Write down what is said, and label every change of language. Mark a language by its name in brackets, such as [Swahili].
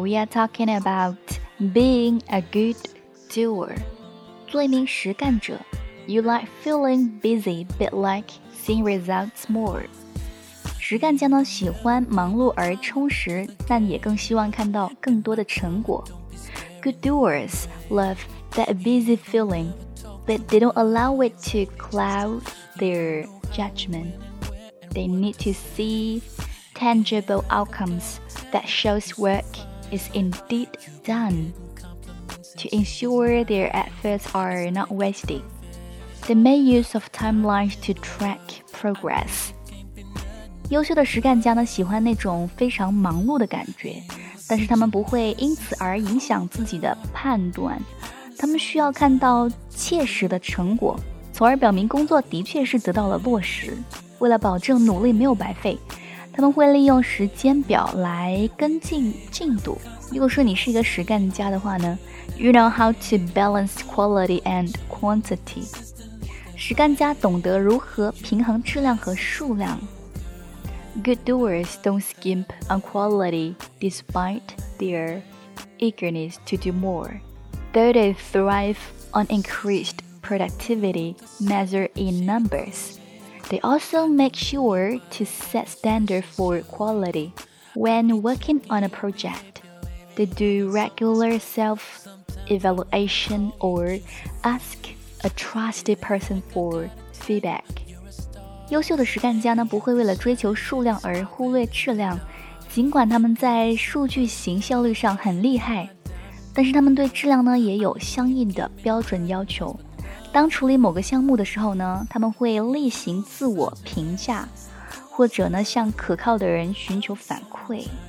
[English] We are talking about being a good doer. [Chinese] 做一名实干者。 [English] You like feeling busy, but like seeing results more. [Chinese] 实干家呢喜欢忙碌而充实，但也更希望看到更多的成果。 [English] Good doers love that busy feeling, but they don't allow it to cloud their judgment. They need to see tangible outcomes that shows work is indeed done to ensure their efforts are not wasted. They make use of timelines to track progress. [Chinese] 优秀的实干家呢，喜欢那种非常忙碌的感觉，但是他们不会因此而影响自己的判断。他们需要看到切实的成果，从而表明工作的确是得到了落实。为了保证努力没有白费，他们会利用时间表来跟进进度。如果说你是一个实干家的话呢， [English] You know how to balance quality and quantity. [Chinese] 实干家懂得如何平衡质量和数量。 [English] Good doers don't skimp on quality despite their eagerness to do more. Though they thrive on increased productivity measured in numbers. They also make sure to set standards for quality. When working on a project, they do regular self-evaluation or ask a trusted person for feedback. [Chinese] 优秀的实干家呢，不会为了追求数量而忽略质量，尽管他们在数据型效率上很厉害，但是他们对质量呢，也有相应的标准要求。当处理某个项目的时候呢，他们会例行自我评价，或者呢向可靠的人寻求反馈。